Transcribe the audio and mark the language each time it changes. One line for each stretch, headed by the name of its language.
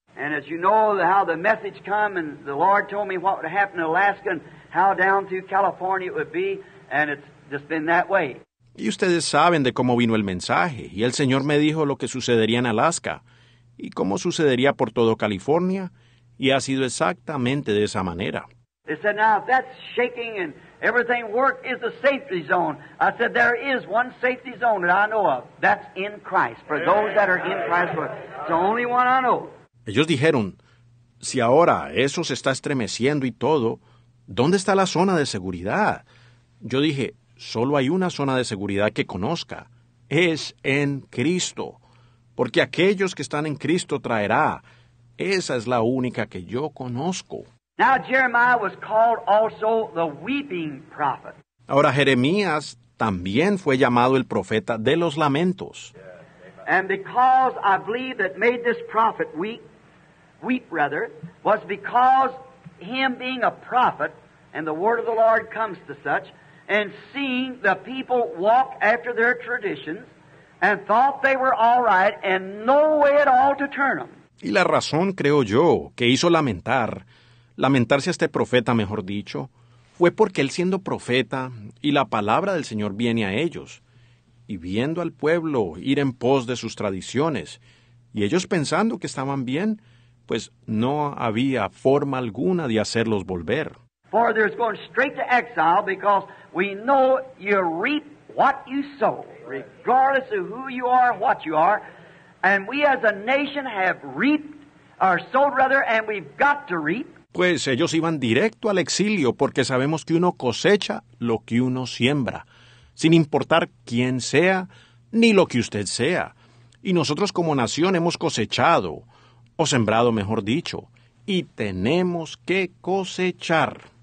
English: And as you know how the message come and the Lord told me what would happen in Alaska and how down through California it would be, and it's just been that way.
Spanish: Y ustedes saben de cómo vino el mensaje, y el Señor me dijo lo que sucedería en Alaska, y cómo sucedería por todo California, y ha sido exactamente de esa manera.
English: He said, now if that's shaking and everything work is a safety zone. I said, there is one safety zone that I know of. That's in Christ, for those that are in Christ. It's the only one I know.
Spanish: Ellos dijeron, si ahora eso se está estremeciendo y todo, ¿dónde está la zona de seguridad? Yo dije, solo hay una zona de seguridad que conozca. Es en Cristo. Porque aquellos que están en Cristo traerá. Esa es la única que yo conozco.
English: Now Jeremiah was called also the weeping prophet.
Spanish: Ahora Jeremías también fue llamado el profeta de los lamentos.
English: And because I believe that made this prophet weep, was because him being a prophet, and the word of the Lord comes to such, and seeing the people walk after their traditions, and thought they were all right, and no way at all to turn them.
Spanish: Y la razón, creo yo, que hizo lamentarse a este profeta, mejor dicho, fue porque él siendo profeta, y la palabra del Señor viene a ellos, y viendo al pueblo ir en pos de sus tradiciones, y ellos pensando que estaban bien, pues no había forma alguna de hacerlos volver.
English: For there's going straight to exile because we know you reap what you sow, regardless of who you are, what you are, and we as a nation have reaped, or sowed rather, and we've got to reap.
Spanish: Pues ellos iban directo al exilio porque sabemos que uno cosecha lo que uno siembra, sin importar quién sea ni lo que usted sea. Y nosotros como nación hemos cosechado, o sembrado, mejor dicho, y tenemos que cosechar.